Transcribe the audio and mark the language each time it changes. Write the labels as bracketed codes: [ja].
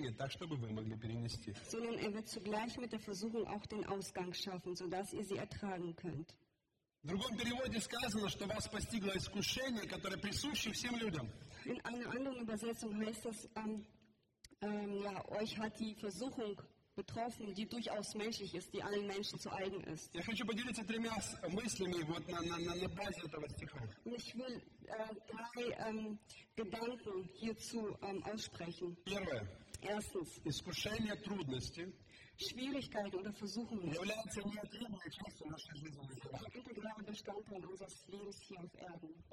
[de] Sondern er wird zugleich mit der Versuchung auch den Ausgang schaffen, sodass ihr sie ertragen könnt. [ru] В другом переводе сказано, что вас постигло искушение, которое присуще всем людям. [de] In einer anderen Übersetzung heißt es, ja, euch hat die Versuchung betroffen, die durchaus menschlich ist, die allen Menschen zu eigen ist. [ru] Я хочу поделиться тремя мыслями вот на базе этого стиха. [de] Und ich will drei Gedanken hierzu aussprechen. [ru] Первое. [de] Erstens. [ru] Искушение, трудности. [de] Schwierigkeiten oder Versuchungen sind integraler Bestandteil unseres Lebens hier auf Erden.